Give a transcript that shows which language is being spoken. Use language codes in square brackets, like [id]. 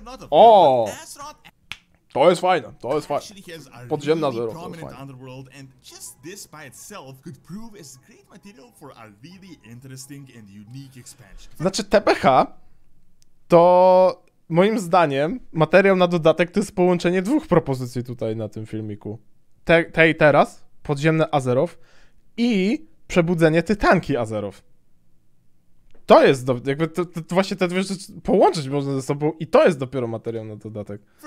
[pl] O! To jest fajne, to jest fajne. Podziemna zero, to jest fajne. [en] Underworld and just this by itself could prove as great material for a really interesting and unique expansion. [pl] Znaczy TPH to... Moim zdaniem, materiał na dodatek to jest połączenie dwóch propozycji tutaj na tym filmiku. Tej teraz, podziemne Azeroth i przebudzenie Tytanki Azeroth. To jest, jakby to właśnie te dwie rzeczy połączyć można ze sobą i to jest dopiero materiał na dodatek.